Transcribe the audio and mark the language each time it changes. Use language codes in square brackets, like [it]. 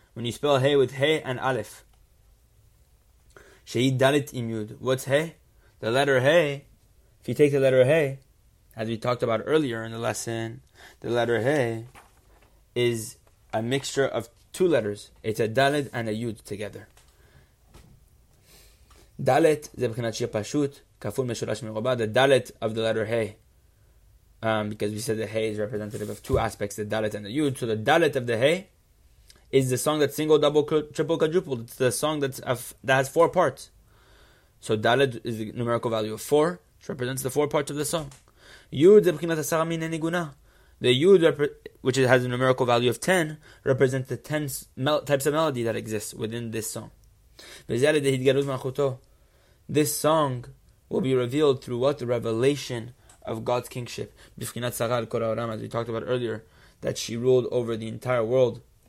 [en] When you spell He with He and Aleph. Sheid Dalit Imyud. What's He? The letter He, if you take the letter He, as we talked about earlier in the lesson, the letter He is a mixture of two letters. It's a Dalet and a Yud together. [he] Dalet, זה בחינת שיר פשוט, כפול משולש מרובה, [en] the Dalet of the letter He. Because we said the He is representative of two aspects, the Dalet and the Yud. So the Dalet of the He is the song that's single, double, triple, quadruple. It's the song that has four parts. So Dalet is the numerical value of four, which represents the four parts of the song. [he] Yud, זה בחינת עשרה מיני ניגונה. [en] The Yud, which has a numerical value of 10, represents the 10 types of melody that exist within this song. This song will be revealed through what? The revelation of God's kingship. As we talked about earlier, that she ruled over the entire world.